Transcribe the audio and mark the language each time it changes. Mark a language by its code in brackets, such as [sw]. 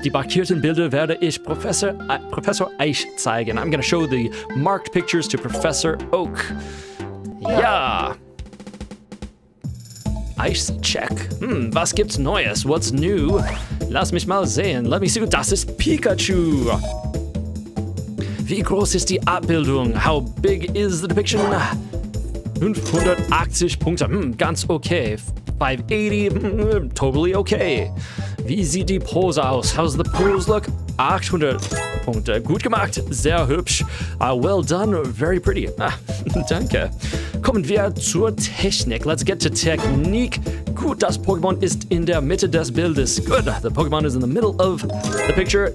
[de] Die markierten Bilder werde ich Professor Eich zeigen. [en] I'm gonna show the marked pictures to Professor Oak. [de] Ja! Eich's check. Hm, was gibt's Neues? [en] What's new? [de] Lass mich mal sehen. [en] Let me see. [de] Das ist Pikachu! Wie groß ist die Abbildung? [en] How big is the depiction? 580 Punkte. [de] Hm, ganz okay. 580. [en] Hm, totally okay. [de] Wie sieht die Pose aus? [en] How's the pose look? [de] 800. Punkte. Gut gemacht. Sehr hübsch. [en] Well done. Very pretty. [de] Ah, danke. Kommen wir zur Technik. [en] Let's get to technique. [de] Gut, das Pokémon ist in der Mitte des Bildes. [en] Good. The Pokémon is in the middle of the picture.